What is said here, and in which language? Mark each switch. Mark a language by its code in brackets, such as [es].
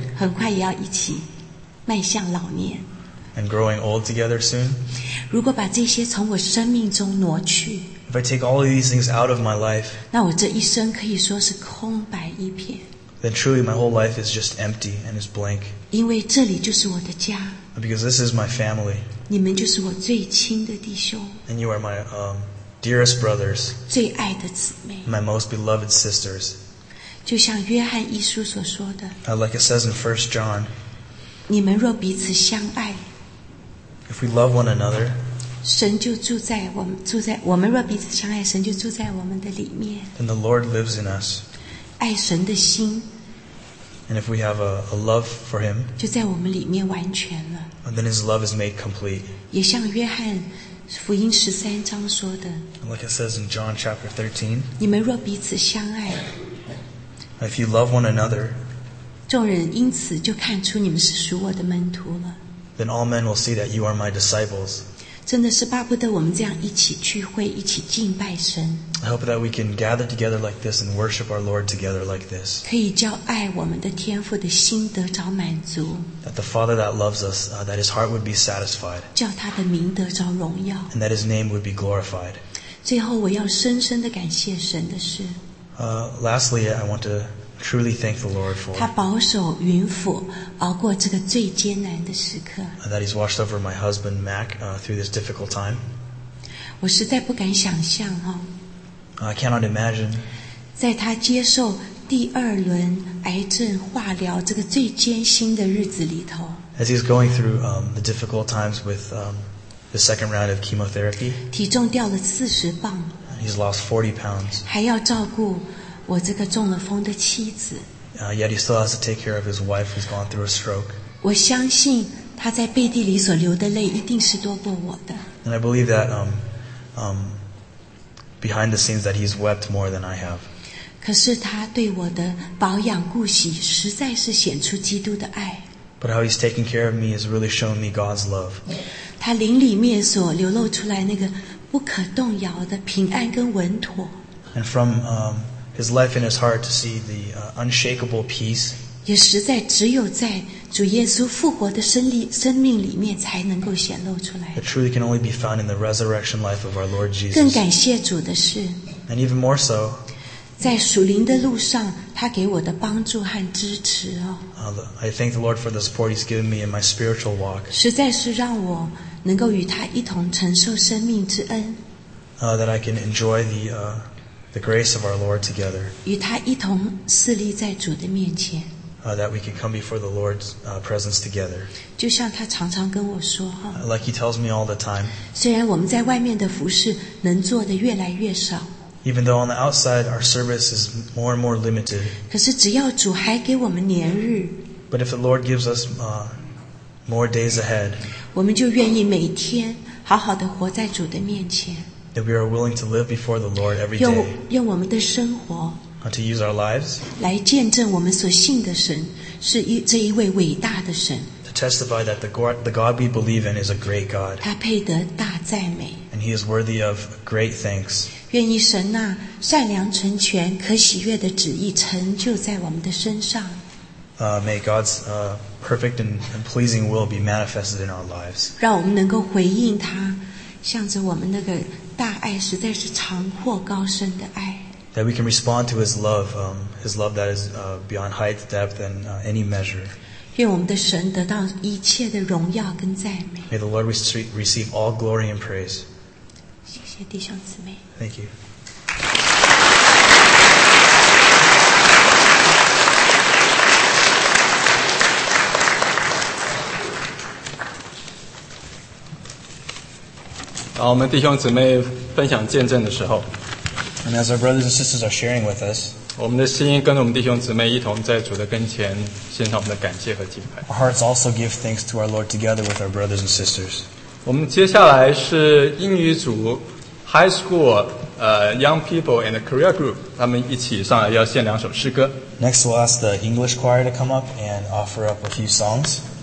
[zh] 很快也要一起迈向老年。 [en] And growing old together soon. [zh] 如果把这些从我生命中挪去 [en] If I take all of these things out of my life, [zh] 那我这一生可以说是空白一片 [en] Then truly my whole life is just empty and is blank. [zh] 因为这里就是我的家 [en] Because this is my family. [zh] 你们就是我最亲的弟兄 [en] And you are my dearest brothers. [zh] 最爱的姊妹 [en] My most beloved sisters. [zh] 就像约翰一书所说的 [en] Like it says in 1 John. [zh] 你们若彼此相爱 [en] If we love one another, [zh] 神就住在我们住在我们若彼此相爱，神就住在我们的里面。 [en] Then the Lord lives in us. [zh] 爱神的心。 [en] And if we have a love for Him, [zh] 就在我们里面完全了。 [en] And then His love is made complete. [zh] 也像约翰福音十三章说的。 [en] Like it says in John chapter 13. [zh] 你们若彼此相爱。 [en] If you love one another, [zh] 众人因此就看出你们是属我的门徒了。 [en] Then all men will see that you are my disciples. [zh] 真的是巴不得我们这样一起聚会，一起敬拜神。 [en] I hope that we can gather together like this and worship our Lord together like this. [zh] 可以叫爱我们的天父的心得着满足。 [en] That the Father that loves us, that His heart would be satisfied. [zh] 叫他的名得着荣耀。 [en] And that His name would be glorified. [zh] 最后，我要深深地感谢神的是。 [en] Lastly, I want to. Truly thank the Lord for [zh] 他保守云府熬过这个最艰难的时刻 [en] That he's watched over my husband Mac through this difficult time [zh] 我实在不敢想象、哦、 [en] I cannot imagine [zh] 在他接受第二轮癌症化疗这个最艰辛的日子里头 [en] As he's going through the difficult times with the second round of chemotherapy [zh] 体重掉了40磅 [en] He's lost 40 pounds. [zh] 还要照顾我这个中了风的妻子。 [en] Yet he still has to take care of his wife who's gone through a stroke. [zh] 我相信他在背地里所流的泪一定是多过我的。 [en] And I believe that behind the scenes that he's wept more than I have. [zh] 可是他对我的保养顾惜实在是显出基督的爱。 [en] But how he's taking care of me has really shown me God's love. [zh] 他灵里面所流露出来那个不可动摇的平安跟稳妥。 [en] And from his life in his heart to see the unshakable peace. [zh] 也实在只有在主耶稣复活的生命里面才能够显露出来。 [en] It truly can only be found in the resurrection life of our Lord Jesus. [zh] 更感谢主的是。 [en] And even more so. [zh] 在属灵的路上他给我的帮助和支持哦。 [en] I thank the Lord for the support he's given me in my spiritual walk. [zh] 实在是让我能够与他一同承受生命之恩。 [en] That I can enjoy the grace of our Lord together. [zh] 与他一同侍立在主的面前。 [en] That we can come before the Lord's presence together. [zh] 就像他常常跟我说哈。 [en] Like he tells me all the time. [zh] 虽然我们在外面的服事能做的越来越少。 [en] Even though on the outside our service is more and more limited. [zh] 可是只要主还给我们年日。 [en] But if the Lord gives us more days ahead. [zh] 我们就愿意每天好好的活在主的面前。 [en] That we are willing to live before the Lord every day. [zh] 用我们的生活。 [en] To use our lives. [zh] 来见证我们所信的神是这一位伟大的神。 [en] To testify that the God we believe in is a great God. [zh] 他配得大赞美。 [en] And he is worthy of great thanks. [zh] 愿意神那善良成全可喜悦的旨意成就在我们的身上。 [en] May God's perfect and pleasing will be manifested in our lives. [zh] 让我们能够回应他向着我们那个大爱实在是长阔高深的爱。 [en] That we can respond to his love that is beyond height, depth, and any measure. [zh] 愿我们的神得到一切的荣耀跟赞美。 [en] May the Lord receive all glory and praise. [zh] 谢谢弟兄姊妹。 [en] Thank you. Now, [zh] 我们弟兄姊妹分享见证的时候。 [en] And as our brothers and sisters are sharing with us, [zh] 我们的心跟着我们弟兄姊妹一同在主的跟前献上我们的感谢和敬拜。 [en] Our hearts also give thanks to our Lord together with our brothers and sisters. [zh] 我们接下来是英语组 [en] High School Young People and Career Group [zh] 他们一起上来要献两首诗歌。 [en] Next we'll ask the English choir to come up and offer up a few songs.